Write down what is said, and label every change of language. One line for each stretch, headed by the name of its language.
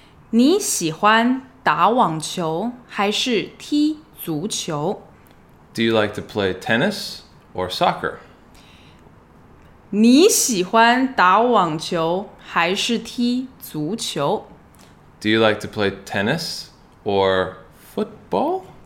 Chinese: 你喜欢打网球还是踢足球？
English: Do you like to play tennis or soccer?
Chinese: 你喜欢打网球还是踢足球?
English: Do you like to play tennis or football?